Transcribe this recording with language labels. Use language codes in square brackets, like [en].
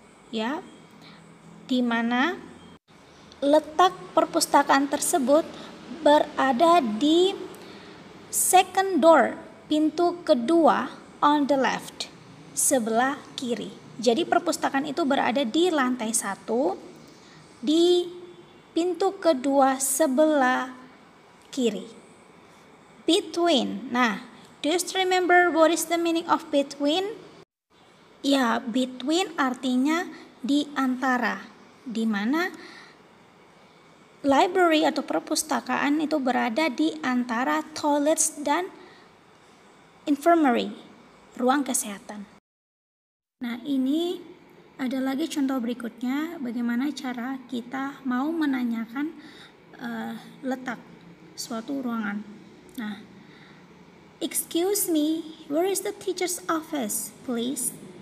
[id] Ya. Di mana letak perpustakaan tersebut berada di [en] second door, [id] pintu kedua [en] on the left, [id] sebelah kiri. Jadi perpustakaan itu berada di lantai 1 di pintu kedua sebelah kiri. [en] Between. Nah, do you remember what is the meaning of between? [id] Ya, between artinya di antara. Di mana library atau perpustakaan itu berada di antara toilets dan infirmary, ruang kesehatan. Nah, ini ada lagi contoh berikutnya, bagaimana cara kita mau menanyakan letak suatu ruangan. [en] Nah, excuse me, where is the teacher's office, please?